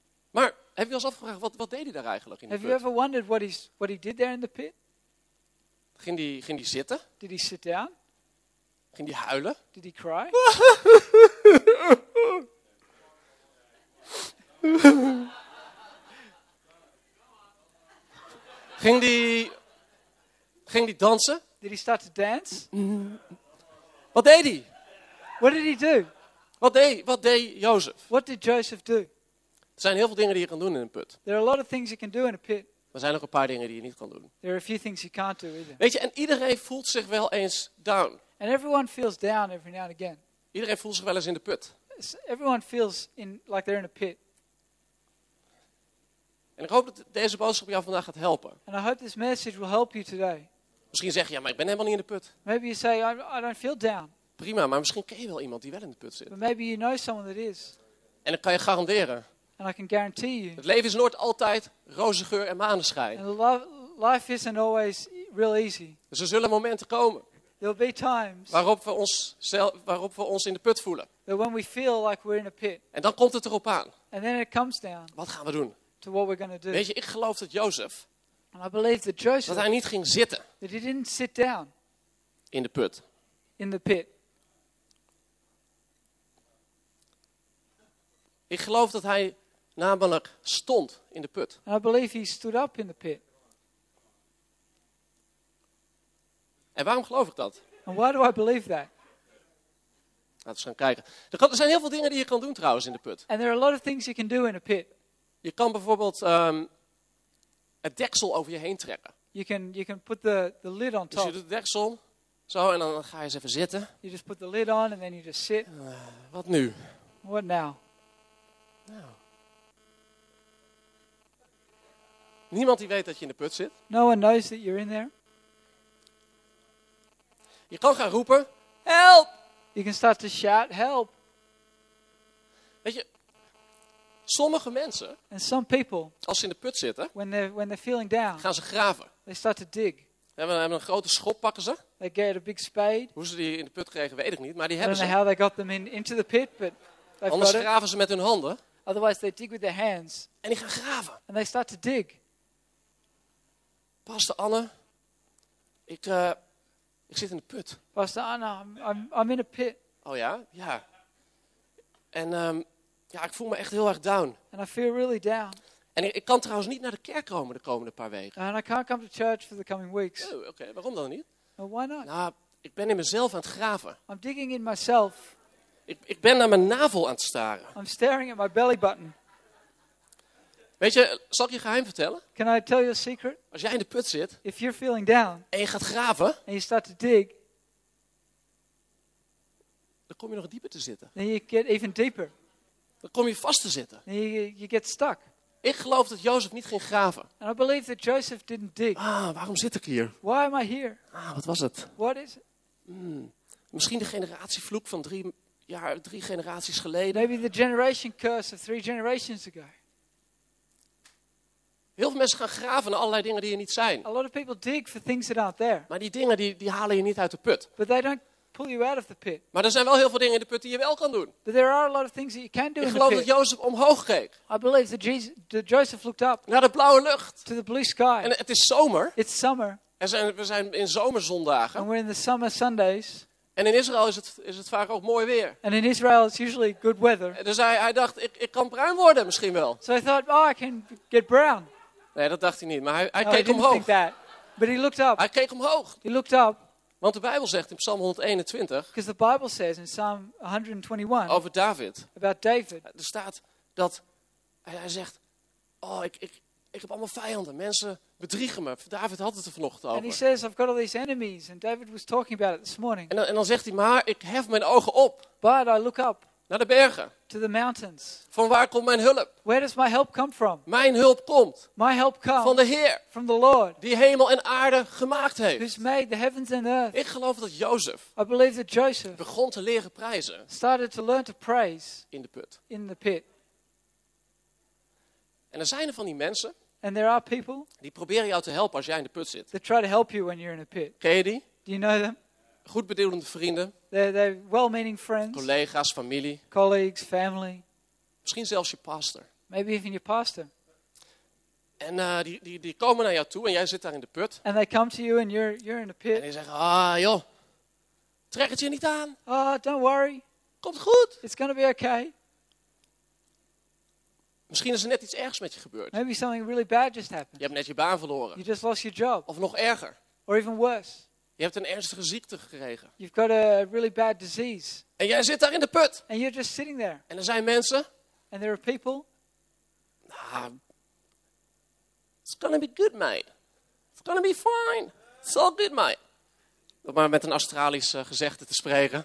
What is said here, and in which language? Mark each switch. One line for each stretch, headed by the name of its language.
Dutch: Maar heb je wel eens afgevraagd wat deed hij daar eigenlijk in de put?
English: Have you ever wondered what he did there in the pit?
Dutch: Ging hij zitten?
English: Did he sit down?
Dutch: Ging hij huilen?
English: Did he cry?
Dutch: Ging die dansen?
English: Did he start to dance?
Dutch: Wat deed hij?
English: What did he do?
Dutch: Wat deed Jozef?
English: What did Joseph do?
Dutch: Er zijn heel veel dingen die je kan doen in een put.
English: There are a lot of things you can do in a pit.
Dutch: Maar zijn ook een paar dingen die je niet kan doen.
English: There are a few things you can't do either.
Dutch: Weet je, en iedereen voelt zich wel eens down.
English: And everyone feels down every now and again.
Dutch: Iedereen voelt zich wel eens in de put.
English: Everyone feels in like they're in a pit.
Dutch: En ik hoop dat deze boodschap jou vandaag gaat helpen.
English: And I hope this message will help you today.
Dutch: Misschien zeg je, ja, maar ik ben helemaal niet in de put.
English: Maybe you say, I don't feel down.
Dutch: Prima, maar misschien ken je wel iemand die wel in de put zit.
English: But maybe you know someone that is.
Dutch: En dat kan je garanderen.
English: And I can guarantee you.
Dutch: Het leven is nooit altijd roze geur en maneschijn.
English: And life isn't always real easy.
Dutch: Dus er zullen momenten komen.
English: There'll be times
Dutch: waarop we ons in de put voelen.
English: That when we feel like we're in a pit.
Dutch: En dan komt het erop aan.
English: And then it comes down.
Dutch: Wat gaan we doen?
English: To what we're gonna do.
Dutch: Weet je, ik geloof dat Jozef,
English: and I believe that Joseph,
Dutch: dat hij niet ging zitten.
English: That he didn't sit down.
Dutch: In de put.
English: In the pit.
Dutch: Ik geloof dat hij namelijk stond in de put.
English: And I believe he stood up in the pit.
Dutch: En waarom geloof ik dat?
English: And why do I believe that?
Dutch: Laten we gaan kijken. Er zijn heel veel dingen die je kan doen trouwens in de put.
English: And there are a lot of things you can do in a pit.
Dutch: Je kan bijvoorbeeld het deksel over je heen trekken.
English: You can put the lid on top.
Dutch: Dus je doet het deksel zo en dan ga je eens even zitten.
English: You just put the lid on and then you just sit.
Dutch: Wat nu?
English: What now?
Dutch: Nou. Niemand die weet dat je in de put zit.
English: No one knows that you're in there.
Dutch: Je kan gaan roepen, help!
English: You can start to shout, help!
Dutch: Weet je, sommige mensen,
English: and some people,
Dutch: als ze in de put zitten,
English: when they're feeling down,
Dutch: gaan ze graven.
English: They start to dig.
Dutch: Hebben een grote schop, pakken ze.
English: They get a big spade.
Dutch: Hoe ze die in de put kregen, weet ik niet, maar die
English: I
Dutch: hebben
English: don't
Dutch: ze.
English: Know how they got them into the pit, but they've
Dutch: anders
English: got
Dutch: graven
English: it.
Dutch: Ze met hun handen.
English: Otherwise they dig with their hands.
Dutch: En die gaan graven.
English: And they start to dig.
Dutch: Pastor Anne, ik zit in de put.
English: Pastor Anne, I'm in a pit.
Dutch: Oh ja? Ja. En ja, ik voel me echt heel erg down.
English: And I feel really down.
Dutch: En ik kan trouwens niet naar de kerk komen de komende paar weken.
English: And I can't come to church for the coming weeks. Oh, okay.
Dutch: Waarom dan niet?
English: Well, why not?
Dutch: Nou, ik ben in mezelf aan het graven.
English: I'm digging in myself.
Dutch: Ik ben naar mijn navel aan het staren.
English: I'm staring at my belly button.
Dutch: Weet je, zal ik je geheim vertellen?
English: Can I tell you a secret?
Dutch: Als jij in de put zit,
English: if you're feeling down,
Dutch: en je gaat graven,
English: and you start to dig,
Dutch: dan kom je nog dieper te zitten.
English: Then you get even deeper.
Dutch: Dan kom je vast te zitten.
English: Then you get stuck.
Dutch: Ik geloof dat Jozef niet ging graven.
English: And I believe that Joseph didn't dig.
Dutch: Ah, waarom zit ik hier?
English: Why am I here?
Dutch: Ah, wat was het?
English: What is it?
Dutch: Misschien de generatievloek van drie generaties geleden.
English: Maybe the generation curse of three generations ago.
Dutch: Heel veel mensen gaan graven naar allerlei dingen die er niet zijn.
English: A lot of people dig for things that aren't there.
Dutch: Maar die dingen die halen je niet uit de put.
English: But they don't pull you out of the pit.
Dutch: Maar er zijn wel heel veel dingen in de put die je wel kan doen.
English: But there are a lot of things that you can do in the pit.
Dutch: Ik geloof dat Jozef omhoog keek.
English: I believe that Joseph looked up.
Dutch: Naar de blauwe lucht.
English: To the blue sky.
Dutch: En het is zomer.
English: It's summer.
Dutch: We zijn in zomerzondagen.
English: And we're in the summer Sundays.
Dutch: En in Israël is het vaak ook mooi weer.
English: And in Israel it's usually good weather.
Dutch: Dus hij dacht, ik kan bruin worden misschien wel.
English: So I thought, oh, I can get brown.
Dutch: Nee, dat dacht hij niet, maar hij keek omhoog.
English: Think that. But he looked up.
Dutch: Hij keek omhoog.
English: He looked up.
Dutch: Want de Bijbel zegt in Psalm 121.
English: Because the Bible says in Psalm 121.
Dutch: Over David.
English: About David.
Dutch: Er staat dat hij zegt, oh, ik heb allemaal vijanden, mensen bedriegen me. David had het er vanochtend over.
English: And he says, I've got all these enemies. And David was talking about it this morning.
Dutch: En dan zegt hij, maar ik hef mijn ogen op.
English: But I look up.
Dutch: Naar de bergen.
English: To the mountains.
Dutch: Van waar komt mijn hulp?
English: Where does my help come from?
Dutch: Mijn hulp komt.
English: My help comes.
Dutch: Van de Heer.
English: From the Lord.
Dutch: Die hemel en aarde gemaakt heeft.
English: Who's made the heavens and earth.
Dutch: Ik geloof dat Jozef.
English: I believe that Joseph.
Dutch: Begon te leren prijzen.
English: Started to learn to praise.
Dutch: In de put.
English: In the pit.
Dutch: En er zijn er van die mensen.
English: And there are people
Dutch: die proberen jou te helpen als jij in de put zit.
English: They try to help you when you're in a pit.
Dutch: Ken je die?
English: Do you know them?
Dutch: Goed bedoelende vrienden.
English: They're well-meaning friends.
Dutch: Collega's, familie.
English: Colleagues, family.
Dutch: Misschien zelfs je pastor.
English: Maybe even your pastor.
Dutch: En die komen naar jou toe en jij zit daar in de put.
English: And they come to you and you're in a pit.
Dutch: En die zeggen, ah joh, trek het je niet aan.
English: Ah, don't worry.
Dutch: Komt goed.
English: It's gonna be okay.
Dutch: Misschien is er net iets ergs met je gebeurd.
English: Maybe something really bad just happened.
Dutch: Je hebt net je baan verloren.
English: You just lost your job.
Dutch: Of nog erger.
English: Or even worse.
Dutch: Je hebt een ernstige ziekte gekregen.
English: You've got a really bad disease.
Dutch: En jij zit daar in de put.
English: And you're just sitting there.
Dutch: En er zijn mensen.
English: And there are people. Nah, it's gonna be good, mate. It's gonna be fine. It's all good, mate.
Dutch: Om maar met een Australisch gezegde te spreken.